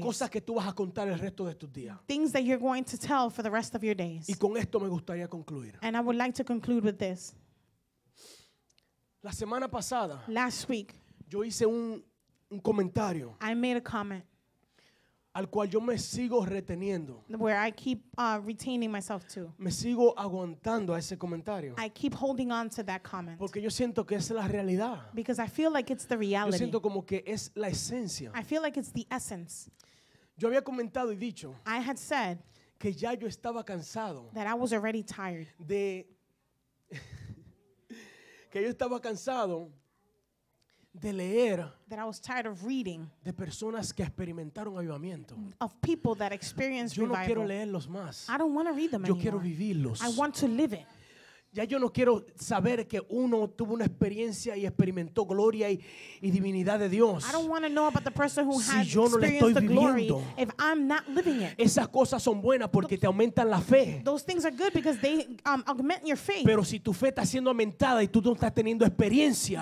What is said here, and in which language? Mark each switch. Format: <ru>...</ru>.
<es>Cosas que tú vas a contar el resto de tus días.</es> <en>Things that you're going to tell for the rest of your days.</en> <es>Y con esto me gustaría concluir.</es> <en>And I would like to conclude with this.</en> <es>La semana pasada.</es> <en>Last week.</en> <es>Yo hice un comentario.</es> <en>I made a comment.</en> <es>al cual yo me sigo reteniendo.</es> <en>Where I keep retaining myself to.</en> <es>Me sigo aguantando a ese comentario.</es> <en>I keep holding on to that comment.</en> <es>Porque yo siento que es la realidad.</es> <en>Because I feel like it's the reality.</en> <es>Yo siento como que es la esencia.</es> <en>I feel like it's the essence.</en> <es>Yo había comentado y dicho.</es> <en>I had said.</en> <es>Que ya yo estaba cansado.</es> <en>That I was already tired.</en> <es>De que yo estaba cansado de leer,</es> <en>that I was tired of reading,</en> <es>de personas que experimentaron avivamiento,</es> <en>of people that experienced revival.</en> <es>Yo no quiero leerlos más.</es> <en>I don't want to read them</en> <es>yo</es> <en>anymore.</en> <es>Quiero vivirlos.</es> <en>I want to live it.</en> <es>Ya yo no quiero saber que uno tuvo una experiencia y experimentó gloria y divinidad de Dios.</es> <en>I don't want to know about the person who</en> <es>si yo no le estoy viviendo.</es> <en>If I'm not living it.</en> <es>Esas cosas son buenas porque te aumentan la fe.</es> <en>Those things are good because they augment your faith.</en> <es>Pero si tu fe está siendo aumentada y tú no estás teniendo experiencia.</es>